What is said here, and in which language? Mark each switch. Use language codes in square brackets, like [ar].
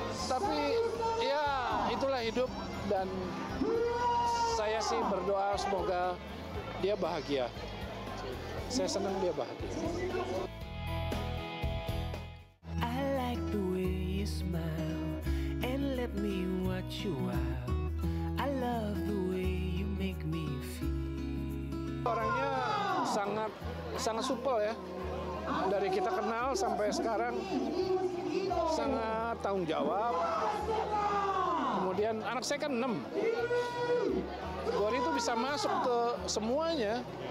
[id] Tapi ya itulah hidup, dan saya sih berdoa semoga dia bahagia. Saya senang dia bahagia. [en] I like the way you smile and let me watch you out. I love the way you make me feel. [id] Orangnya sangat sangat supel ya. Dari kita kenal sampai sekarang sangat tanggung jawab. Kemudian anak saya kan 6. Gori itu bisa masuk ke semuanya.